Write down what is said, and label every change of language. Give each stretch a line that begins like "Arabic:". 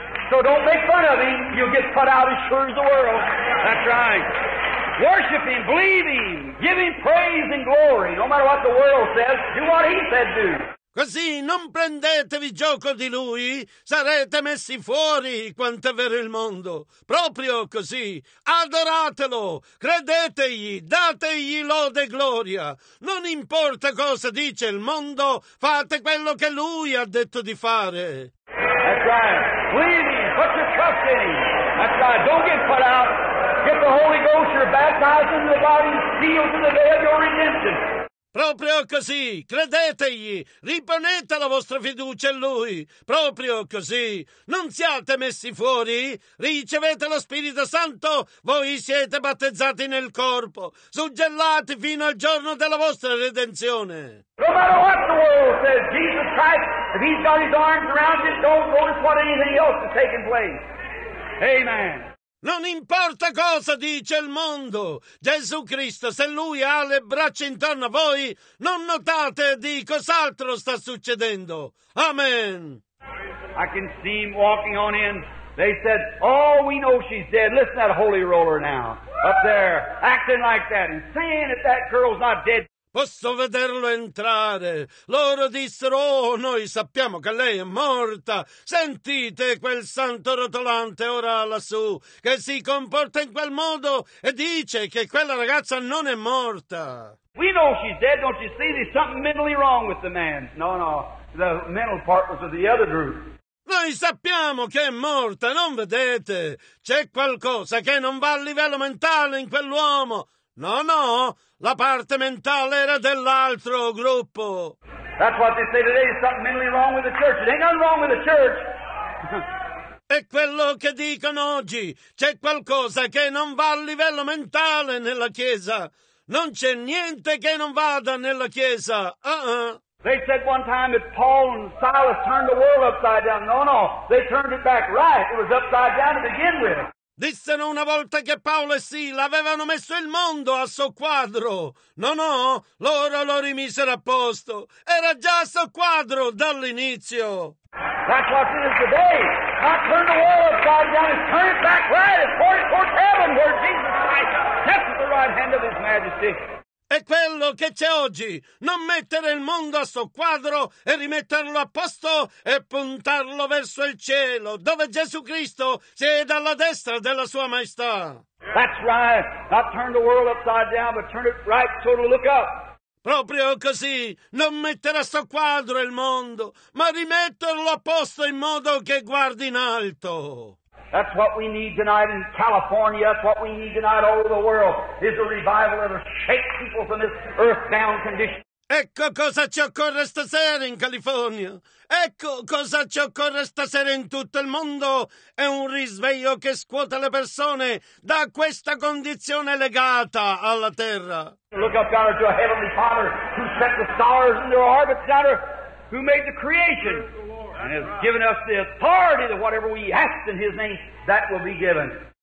English: So don't make fun of him. You'll get put out as sure as the world. That's right. Worship him, believe him, give him praise and glory. No matter what the world says, do what he said do.
Italian: Così non prendetevi gioco di lui, sarete messi fuori, quanto è vero il mondo. Proprio così, adoratelo, credetegli, dategli lode e gloria. Non importa cosa dice il mondo, fate quello che lui ha detto di fare.
English: That's right, believe him, put your trust in him. That's right, don't get put out. Get the Holy Ghost, you're baptized into the body, sealed to the day of your redemption.
Italian: Proprio così, credetegli, riponete la vostra fiducia in Lui, proprio così, non siate messi fuori, ricevete lo Spirito Santo, voi siete battezzati nel corpo, suggellati fino al giorno della vostra redenzione.
English: No matter what the world says, Jesus Christ, if he's got his arms around it, don't notice what anything else is taking place. Amen.
Italian: Non importa cosa dice il mondo, Gesù Cristo, se Lui ha le braccia intorno a voi, non notate di cos'altro sta succedendo. Amen.
English: I can see him walking on in. They said, oh, we know she's dead. Listen to that holy roller now, up there, acting like that and saying that that girl's not dead.
Italian: Posso vederlo entrare. Loro dissero, oh, noi sappiamo che lei è morta. Sentite quel santo rotolante ora lassù, che si comporta in quel modo e dice che quella ragazza non è morta.
English: We know she's dead, don't you see? There's something mentally wrong with the man. No, no, the mental part was with the other group.
Italian: Noi sappiamo che è morta, non vedete? C'è qualcosa che non va a livello mentale in quell'uomo. No, no, la parte mentale era dell'altro gruppo.
English: That's what they say today, something mentally wrong with the church. It ain't nothing wrong with the church.
Italian: È quello che dicono oggi. C'è qualcosa che non va a livello mentale nella Chiesa. Non c'è niente che non vada nella Chiesa.
English: They said one time that Paul and Silas turned the world upside down. No, no, they turned it back right. It was upside down to begin with.
Italian: Dissero una volta che Paolo e Sila avevano messo il mondo a soqquadro. No, no, loro lo rimisero a posto. Era già a soqquadro dall'inizio.
English: That's what it is today. Not turn the world upside down, it's turn it back right. It's pointing towards heaven where Jesus Christ sits at the right hand of his majesty.
Italian: È quello che c'è oggi. Non mettere il mondo a soqquadro e rimetterlo a posto e puntarlo verso il cielo, dove Gesù Cristo siede alla destra della sua maestà.
English: That's right. Not turn the world upside down, but turn it right so to look up.
Italian: Proprio così. Non mettere a soqquadro il mondo, ma rimetterlo a posto in modo che guardi in alto.
English: That's what we need tonight in California. That's what we need tonight all over the world. Is a revival that will shake people from this earthbound condition.
Italian: Ecco cosa ci occorre stasera in California. Ecco cosa ci occorre stasera in tutto il mondo. È un risveglio che scuota le persone da questa condizione legata alla terra.
English: Look up, God, to a heavenly Father who set the stars in their orbits, God, who made the creation. And has given us the authority that whatever we ask in his name, that will be given.